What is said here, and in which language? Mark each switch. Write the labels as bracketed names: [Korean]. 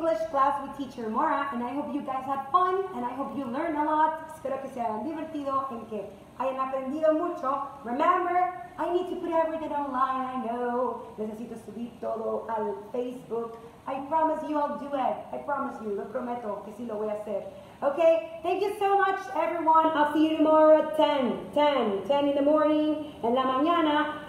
[English] class with teacher Mora, and I hope you guys had fun, and I hope you learned a lot. [Spanish] Espero que se hayan divertido y que hayan aprendido mucho. [English] Remember, I need to put everything online, I know. [Spanish] Necesito subir todo al Facebook. [English] I promise you I'll do it. I promise you, [Spanish] lo prometo que sí lo voy a hacer. [English] Okay, thank you so much, everyone. I'll see you tomorrow at 10 in the morning, [Spanish] en la mañana.